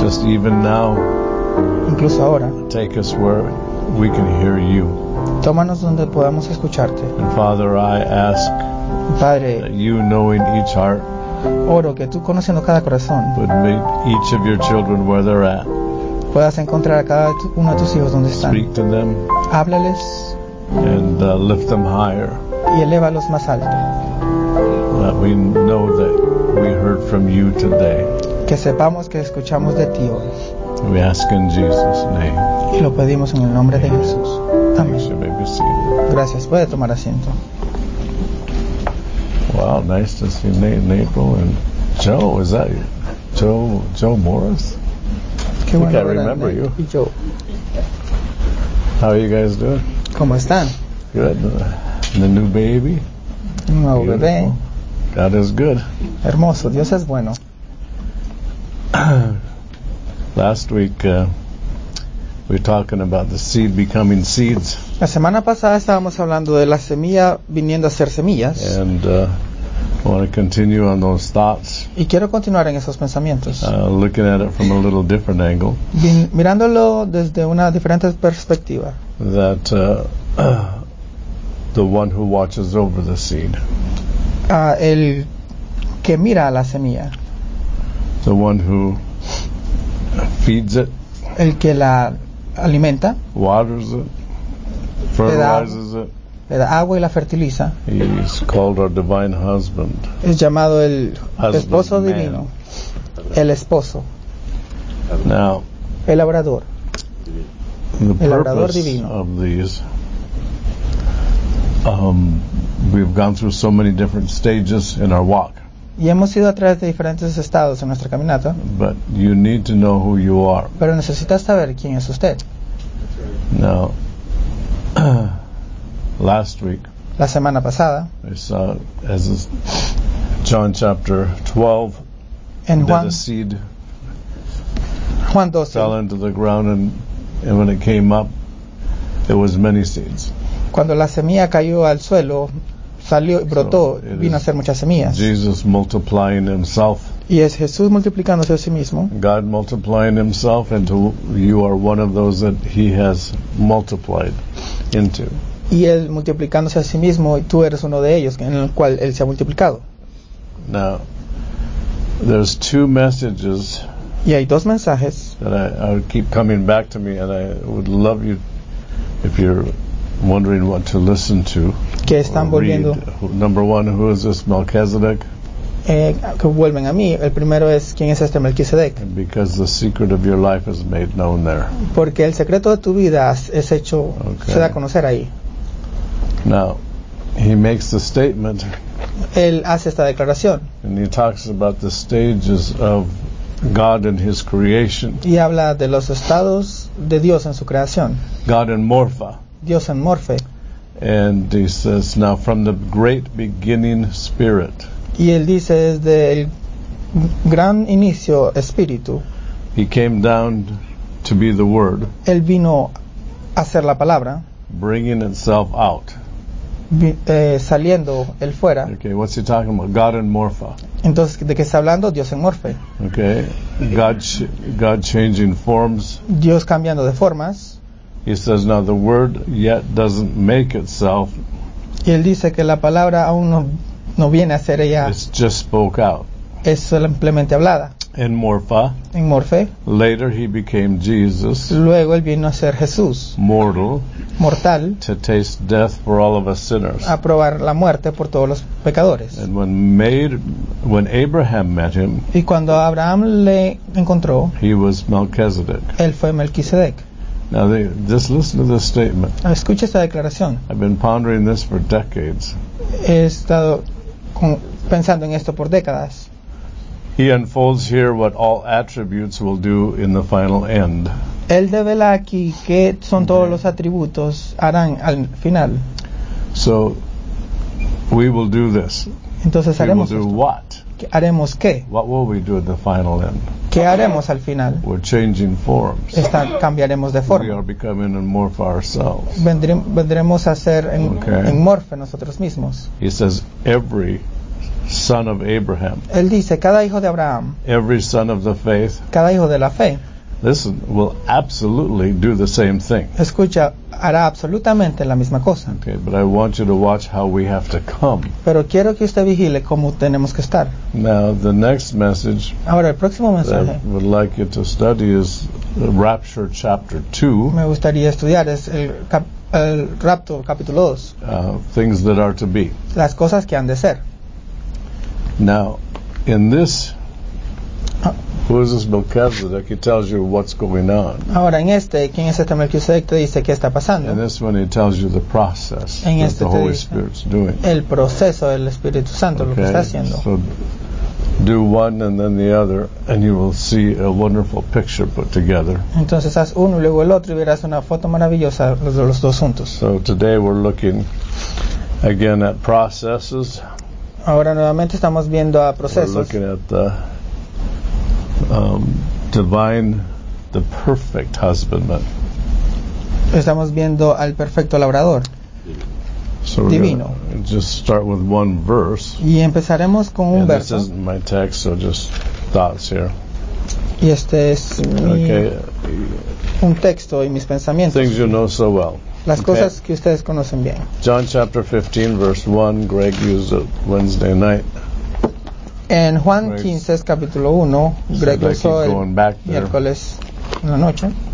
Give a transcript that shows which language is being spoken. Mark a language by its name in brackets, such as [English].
[English] Just even now, [Spanish] incluso ahora, [English] take us where we can hear you. [Spanish] Tómanos donde podamos escucharte. [English] And Father, I ask, [Spanish] Padre, [English] that you, knowing each heart, [Spanish] oro que tú conociendo cada corazón, [English] would meet each of your children where they're at. [Spanish] Puedas encontrar a cada uno de tus hijos donde están. [English] Speak to them. [Spanish] Háblales. [English] And lift them higher. [Spanish] Y elévalos más alto. [English] That we know that we heard from you today. [Spanish] Que sepamos que escuchamos de ti hoy. [English] We ask in Jesus' name. [Spanish] Y lo pedimos en el nombre de Jesús. Amén. [English] You may be seated. [Spanish] Gracias. Puede tomar asiento. [English] Wow, nice to see Nate in April. And Joe, is that Joe Morris? [Spanish] Qué bueno, [English] I can't remember Nate you. [Spanish] Y yo. [English] How are you guys doing? [Spanish] ¿Cómo están? [English] Good. The new baby. [Spanish] Un nuevo [English] beautiful [Spanish] bebé. [English] God is good. [Spanish] Hermoso. Dios es bueno. [English] Last week we were talking about the seed becoming seeds. [Spanish] La semana pasada estábamos hablando de la semilla viniendo a ser semillas. [English] And I want to continue on those thoughts. [Spanish] Y quiero continuar en esos pensamientos. [English] Looking at it from a little different angle. [Spanish] Mirándolo desde una diferente perspectiva. [English] That the one who watches over the seed. [Spanish] El que mira a la semilla. [English] The one who feeds it. [Spanish] El que la alimenta. [English] Waters it. Fertilizes it. [Spanish] Le da agua y la fertiliza. [English] He is called our divine husband. [Spanish] Es llamado el esposo divino. El esposo. [English] Now, [Spanish] el labrador. El labrador divino. [English] Of these, we've gone through so many different stages in our walk. [Spanish] Y hemos ido a través de diferentes estados en nuestra caminata. [English] But you need to know who you are. [Spanish] Pero necesitas saber quién es usted. [English] Now, last week, [Spanish] la semana pasada, [English] I saw as John chapter 12, and the seed [Spanish] Juan 12 [English] fell into the ground, and when it came up, it was many seeds. [Spanish] Cuando la semilla cayó al suelo, salió, brotó, vino a ser muchas semillas. [English] Jesus multiplying himself. [Spanish] Y es Jesús multiplicándose a sí mismo. [English] God multiplying himself into you are one of those that he has multiplied into. [Spanish] Y él multiplicándose a sí mismo, y tú eres uno de ellos en el cual él se ha multiplicado. [English] Now, there's two messages. [Spanish] Y hay dos mensajes. [English] That I keep coming back to me, and I would love you, if you're wondering what to listen to. [Spanish] Que están volviendo. [English] Read. Number one, who is this Melchizedek? [Spanish] Que vuelven a mí. El primero es quién es este Melquisedec. [English] Because the secret of your life is made known there. [Spanish] Porque el secreto de tu vida es hecho, [English] okay, [Spanish] se da a conocer ahí. [English] Now, he makes the statement. [Spanish] Él hace esta declaración. [English] And he talks about the stages of God in his creation. [Spanish] Y habla de los estados de Dios en su creación. [English] God in Morpha. [Spanish] Dios en Morphe. [English] And he says, now from the great beginning spirit. [Spanish] Y él dice, desde el gran inicio, espíritu. [English] He came down to be the word. [Spanish] Él vino a ser la palabra. [English] Bringing itself out. [Spanish] Saliendo él fuera. [English] Okay, what's he talking about? God in Morpha. [Spanish] Entonces, ¿de qué está hablando? Dios en Morphe. [English] Okay. God changing forms. [Spanish] Dios cambiando de formas. [English] He says now the word yet doesn't make itself. [Spanish] Y él dice que la palabra aún no viene a ser ella. [English] It's just spoke out. [Spanish] Es simplemente hablada. [English] In Morpha. [Spanish] En Morphe. [English] Later he became Jesus. [Spanish] Luego él vino a ser Jesús. [English] Mortal. [Spanish] Mortal. [English] To taste death for all of us sinners. [Spanish] A probar la muerte por todos los pecadores. [English] And when Abraham met him. [Spanish] Y cuando Abraham le encontró. [English] He was Melchizedek. [Spanish] Él fue Melquisedec. [English] Now just listen to this statement. [Spanish] Escuche esta declaración. [English] I've been pondering this for decades. [Spanish] He estado pensando en esto por décadas. [English] He unfolds here what all attributes will do in the final end. [Spanish] Él revela aquí qué son todos los atributos harán al final. [English] So we will do this. [Spanish] Entonces haremos. [English] We will do [Spanish] esto. [English] What? [Spanish] Haremos qué? [English] What will we do at the final end? [Spanish] ¿Qué haremos al final? [English] We're changing forms. [Spanish] Cambiaremos de forma. [English] We are becoming in morph ourselves. [Spanish] Vendremos a ser en morph nosotros mismos. [English] He says every son of Abraham. [Spanish] Él dice cada hijo de Abraham. [English] Every son of the faith. [Spanish] Cada hijo de la fe. [English] Listen, will absolutely do the same thing. [Spanish] Escucha, hará absolutamente la misma cosa. [English] Okay, but I want you to watch how we have to come. [Spanish] Pero quiero que usted vigile cómo tenemos que estar. [English] Now, the next message. [Spanish] Ahora el próximo mensaje. [English] That I would like you to study is Rapture chapter 2. [Spanish] Me gustaría estudiar es el rapto capítulo 2. [English] Things that are to be. [Spanish] Las cosas que han de ser. [English] Now, in this. Who is this Melchizedek? He tells you what's going on. [Spanish] Ahora en este, ¿quién es este Melchizedek? Te dice qué está pasando. [English] In this one, he tells you the process [Spanish] en [English] that [Spanish] este [English] the Holy Spirit's doing. [Spanish] El proceso del Espíritu Santo, [English] okay, [Spanish] lo que está haciendo. [English] So do one and then the other, and you will see a wonderful picture put together. [Spanish] Entonces haz uno y luego el otro y verás una foto maravillosa de los dos juntos. [English] So today we're looking again at processes. [Spanish] Ahora nuevamente estamos viendo a procesos. [English] We're looking at the divine, the perfect husbandman. [Spanish] Estamos viendo al perfecto labrador. [English] So [Spanish] divino. [English] Just start with one verse. [Spanish] Y empezaremos con un verso. [English] This isn't my text, so just thoughts here. [Spanish] Y este es un texto y mis pensamientos. [English] Things you know so well. [Spanish] Las cosas que ustedes conocen bien. [English] John chapter 15 verse 1. Greg used it Wednesday night. [Spanish] En Juan 15, es capítulo 1, Greg usó el miércoles en la noche.